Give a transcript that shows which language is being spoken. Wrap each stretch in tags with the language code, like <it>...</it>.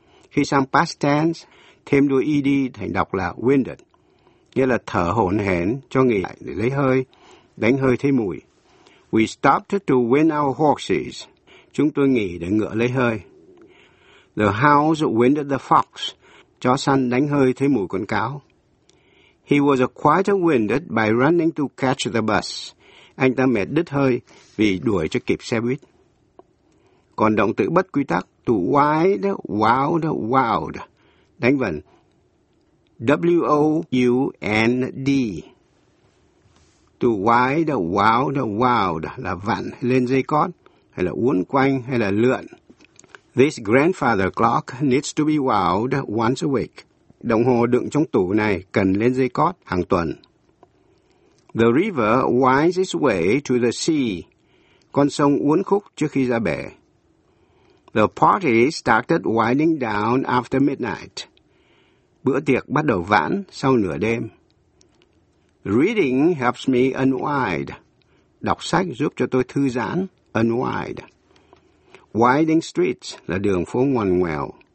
<vi>Khi sang past tense, thêm đuôi ed thành đọc là winded, nghĩa là thở hổn hển, cho nghỉ lại để lấy hơi, đánh hơi thấy mùi.</vi> <en>We stopped to wind our horses.</en> <vi>Chúng tôi nghỉ để ngựa lấy hơi.</vi> <en>The hounds winded the fox.</en> <vi>Chó săn đánh hơi thấy mùi con cáo.</vi> <en>He was quite winded by running to catch the bus.</en> <vi>Anh ta mệt đứt hơi vì đuổi cho kịp xe buýt. Còn động từ bất quy tắc, to wild, wild, wild, đánh vần W-O-U-N-D. To wild, wild, wild là vặn lên dây cót, hay là uốn quanh, hay là lượn.</vi> <en>This grandfather clock needs to be wound once a week.</en> <vi>Đồng hồ đựng trong tủ này cần lên dây cót hàng tuần.</vi> <en>The river winds its way to the sea.</en> <vi>Con sông uốn khúc trước khi ra bể.</vi> <en>The party started winding down after midnight.</en> <vi>Bữa tiệc bắt đầu vãn sau nửa đêm.</vi> <en>Reading helps me unwind.</en> <vi>Đọc sách giúp cho tôi thư giãn, unwind. Winding streets là đường phố ngoằn ngoèo.</vi>